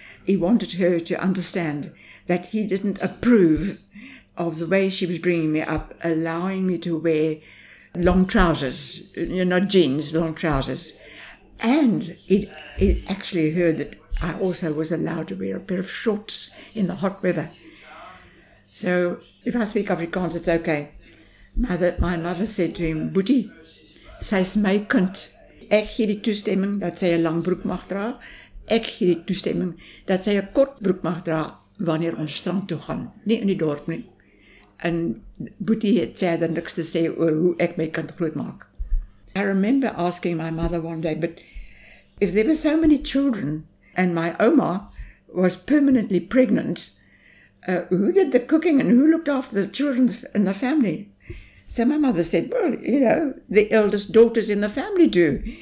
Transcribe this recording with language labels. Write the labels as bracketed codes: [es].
[en] He wanted her to understand that he didn't approve of the way she was bringing me up, allowing me to wear long trousers, you know, not jeans, long trousers. And he actually heard that I also was allowed to wear a pair of shorts in the hot weather. So if I speak Afrikaans, it's okay. My mother said to him, [af] "Buddy, sy is my kind. Ek gee die toestemming dat sy 'n lang broek mag dra. Ek gee die toestemming dat sy 'n kort broek mag dra wanneer ons strand toe gaan, nie in die dorp nie." En Boetie het verder niks te sê oor hoe ek my kind groot maak. [en] I remember asking my mother one day, "But if there were so many children and my oma was permanently pregnant, who did the cooking and who looked after the children and the family?" So my mother said, "Well, you know, the eldest daughters in the family do."